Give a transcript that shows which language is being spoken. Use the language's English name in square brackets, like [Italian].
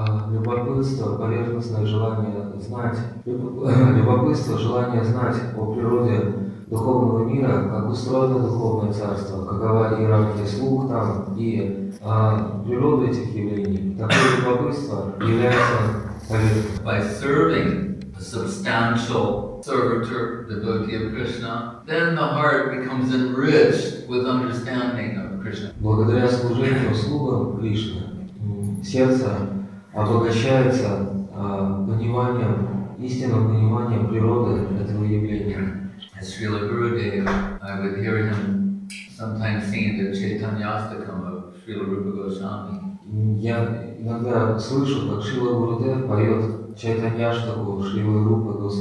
[Russian] Любопытство, поверхностное желание знать. Любопытство, желание знать о природе духовного мира, как устроено духовное царство, какова иерархия слуг там и природа этих явлений. Такое любопытство является поверхностным. [English] By serving a substantial servitor, devotee of Krishna, then the heart becomes enriched with understanding of Krishna. [Russian] Благодаря служению слугам Кришны, сердце обогащается пониманием, истинным пониманием природы этого явления. [English] As Srila Gurudev, I would hear him sometimes singing the Chaitanya Astakam of Srila Rupa Goswami. [Russian] Я иногда слышу, как Шрила Гурудев поет Чайтаньяштаку Шрилы Рупы